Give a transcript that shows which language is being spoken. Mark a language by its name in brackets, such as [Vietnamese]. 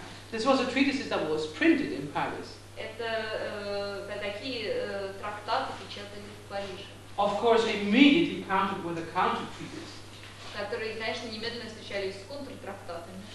[English] This was a treatise that was printed in Paris. [Russian] Это такие трактаты печатали в Париже. [English] Of course, immediately countered with a counter treatise. [Russian] Которые, конечно, немедленно встречались с контртрактатами.